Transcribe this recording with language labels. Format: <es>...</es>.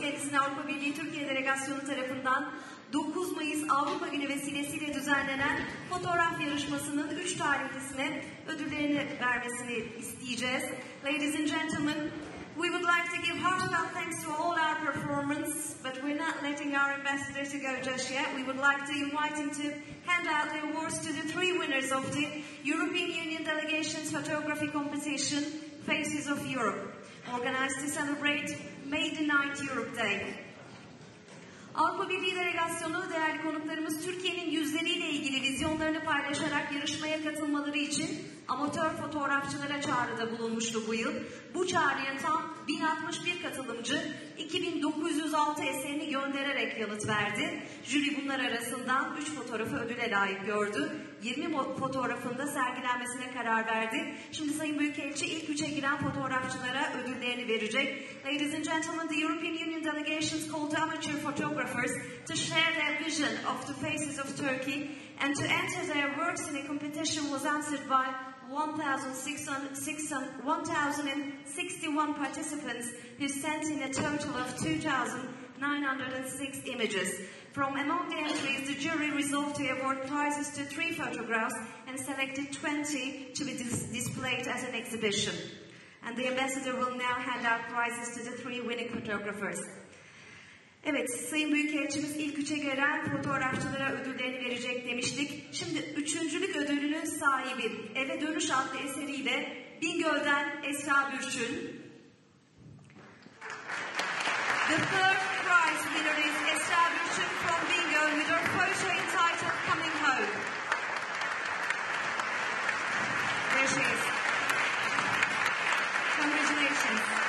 <tr>Kendisini Avrupa Birliği Türkiye Delegasyonu tarafından 9 Mayıs Avrupa Günü vesilesiyle düzenlenen fotoğraf yarışmasının 3 tarihlisine ödüllerini vermesini isteyeceğiz.</tr> <en>Ladies and gentlemen, we would like to give heartfelt thanks to all our performers, but we're not letting our ambassador to go just yet. We would like to invite him to hand out the awards to the 3 winners of the European Union Delegation's Photography Competition, Faces of Europe, organized to celebrate May the 9th Europe Day.</en> <tr>Avrupa Birliği Delegasyonu, değerli konuklarımız, Türkiye'nin yüzleriyle ilgili vizyonlarını paylaşarak yarışmaya katılmaları için amatör fotoğrafçılara çağrıda bulunmuştu bu yıl. Bu çağrıya tam 1061 katılımcı 2906 eserini göndererek yanıt verdi. Jüri bunlar arasından 3 fotoğrafı ödüle layık gördü. 20 fotoğrafında sergilenmesine karar verdi. Şimdi Sayın Büyükelçi ilk 3'e giren fotoğrafçılara ödüllerini verecek.</tr> <en>Ladies and gentlemen, the European Union delegations called amateur photographers to share their vision of the faces of Turkey and to enter their works in a competition was answered by 1,061 participants who sent in a total of 2,906 images. From among the entries, the jury resolved to award prizes to 3 photographs and selected 20 to be displayed as an exhibition. And the ambassador will now hand out prizes to the 3 winning photographers.</en> <tr>Evet, Sayın Büyükelçimiz ilk 3'e gelen fotoğrafçılara ödüllerini verecek demiştik. Şimdi üçüncülük ödülünün sahibi Eve Dönüş adlı eseriyle Bingöl'den Esra Bürçün.</tr> <en>The third prize winner is Esra Bürçün from Bingöl with her photo entitled Coming Home. There she is. Congratulations.</en>